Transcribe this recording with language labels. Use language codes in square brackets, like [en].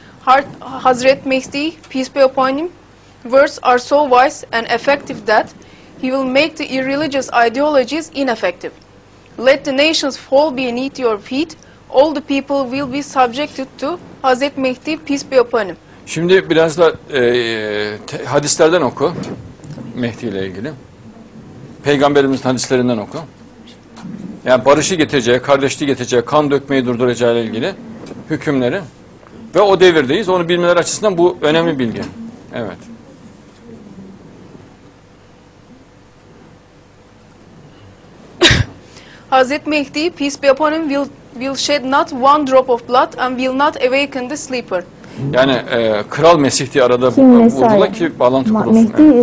[en] Hazret Mehdi, peace be upon him, words are so wise and effective that he will make the irreligious ideologies ineffective. let the nations fall beneath your feet, all the people will be subjected to Hazret Mehdi, peace be upon him. [tr] Şimdi biraz da hadislerden oku, Mehdi ile ilgili. Peygamberimizin hadislerinden oku. Yani barışı getireceği, kardeşliği getireceği, kan dökmeyi durduracağı ile ilgili hükümleri. Ve o devirdeyiz. Onu bilmeler açısından bu önemli bilgi. Evet. [en] Hazret Mehdi, peace be upon him, will shed not one drop of blood and will not awaken the sleeper. [tr] Yani Kral Mesih diye arada vurdular ki bağlantı kurulsun.